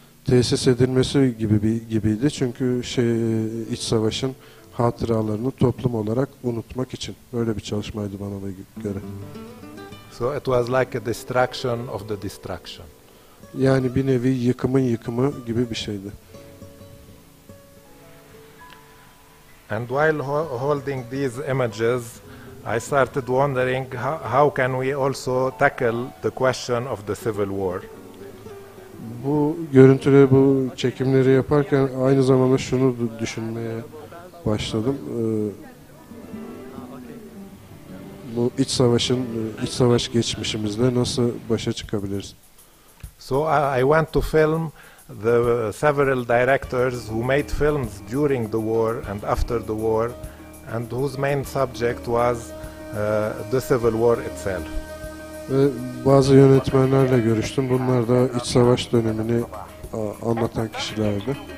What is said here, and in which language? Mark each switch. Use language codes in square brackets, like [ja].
[tr] tesis edilmesi gibiydi. Çünkü iç savaşın hatıralarını toplum olarak unutmak için böyle bir çalışmaydı bana göre. [en] So it was like a destruction of the destruction. [tr] Yani bir nevi yıkımın yıkımı gibi bir şeydi. [en] And while holding these images, I started wondering how can we also tackle the question of the civil war. [tr] Bu görüntüleri, bu çekimleri yaparken aynı zamanda şunu düşünmeye başladım. Bu iç savaşın, iç savaş geçmişimizle nasıl başa çıkabiliriz? [en] So I went to film the several directors who made films during the war and after the war and whose main subject was the civil war itself. [tr] Bazı yönetmenlerle görüştüm. Bunlar da iç savaş dönemini anlatan kişilerdi.